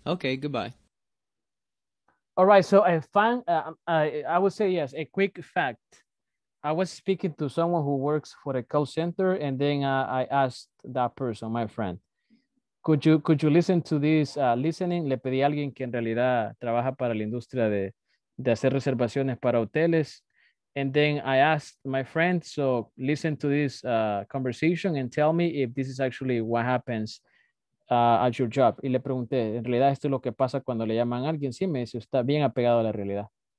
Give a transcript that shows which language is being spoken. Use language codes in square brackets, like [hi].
[en] Okay, goodbye. All right, so I would say, yes, a quick fact. I was speaking to someone who works for a call center, and then I asked that person, my friend, could you listen to this listening? [es] Le pedí a alguien que en realidad trabaja para la industria de hacer reservaciones para hoteles. [en] And then I asked my friend, so listen to this conversation and tell me if this is actually what happens at your job. [es] Y le pregunté, ¿en realidad esto es lo que pasa cuando le llaman a alguien? Sí, me dice, está bien apegado a la realidad.